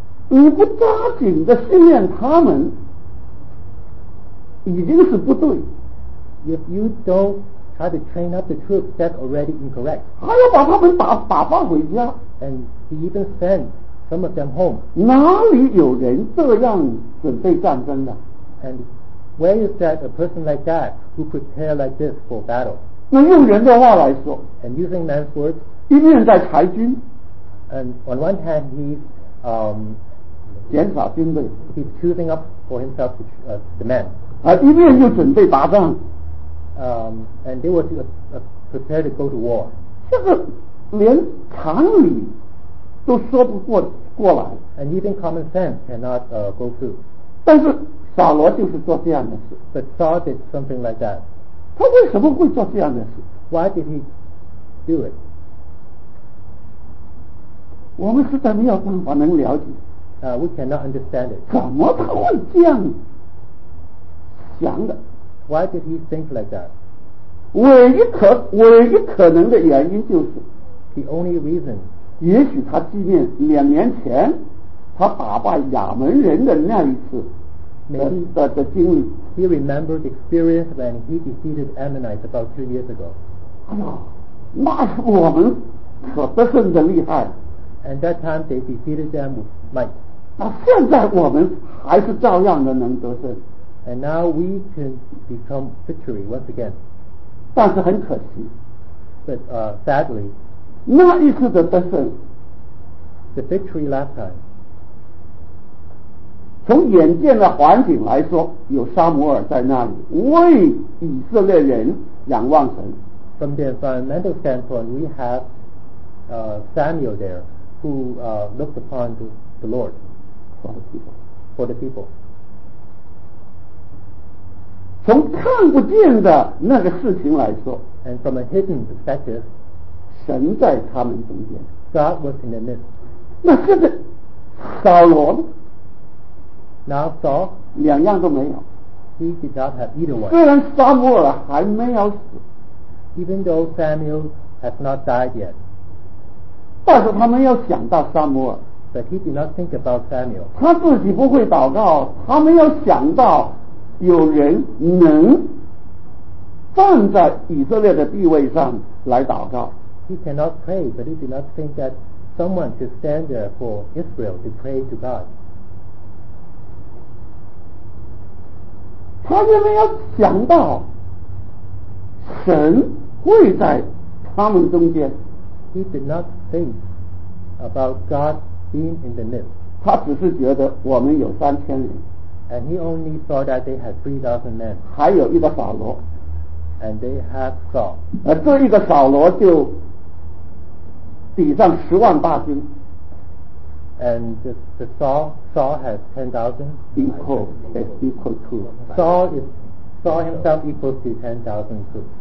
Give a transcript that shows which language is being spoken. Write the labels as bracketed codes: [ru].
[zh] 你不抓紧的训练他们已经是不对。 [en] If you don't try to train up the troops, that's already incorrect. [zh] 还要把他们打发回家。 [en] And he even sent some of them home. [zh] 哪里有人这样准备战争的？ [en] And where is that a person like that who prepare like this for battle? [zh] 那用人的话来说， [en] And using man's words, [zh] 一面在裁军。 [en] And on one hand, he's [zh] 减少军队， [en] he's choosing up for himself the men. [zh] 一面又准备打仗。 [en] And they were prepared to go to war. [zh] 这个连常理都说不过来。 [en] And even common sense cannot go through. [zh] 但是扫罗就是做这样的事。 [en] But Saul did something like that. [zh] 他为什么会做这样的事？ [en] Why did he do it? [zh] 我们实在没有办法能了解。 [en] We cannot understand it. [zh] 怎么他会这样想的？ [en] Why did he think like that? [zh] 唯一可能的原因就是， [en] The only reason. [zh] 也许他纪念两年前他打败亚门人的那一次的经历。 [en] He remembered the experience when he defeated Ammonites about 2 years ago. [zh] 哎呀，那是我们可得胜的厉害。 [en] And that time they defeated them with might. [zh] 那现在我们还是照样的能得胜。 [en] And now we can become victory once again. [zh] 但是很可惜。 [en] but sadly, [zh] 那一次的得胜 [en] the victory last time, [zh] 从眼见的环境来说，有撒母耳在那里为以色列人仰望神。 [en] From the environmental standpoint, we have Samuel there who looked upon the Lord for the people. [zh] 从看不见的那个事情来说 [en] and from a hidden perspective, [zh] 神在他们中间 [en] God was in the midst. [zh] 那现在扫罗 [en] Now Saul [zh] 两样都没有 [en] He did not have either one. [zh] 虽然撒母耳还没有死 [en] Even though Samuel has not died yet, [zh] 但是他没有想到撒母耳 [en] but he did not think about Samuel. [zh] 他自己不会祷告，他没有想到有人能站在以色列的地位上来祷告。 [en] He cannot pray, but he did not think that someone should stand there for Israel to pray to God. [zh] 他就没有想到。神会在他们中间 [en] He did not think about God being in the midst [zh] 他只是觉得我们有三千人 [en] And he only saw that they had 3,000 men [zh] 还有一个扫罗 [en] And they had Saul [zh] 而这一个扫罗就抵上十万大军 [en] And the Saul has 10,000 equal to Saul himself equals to 10,000 troops.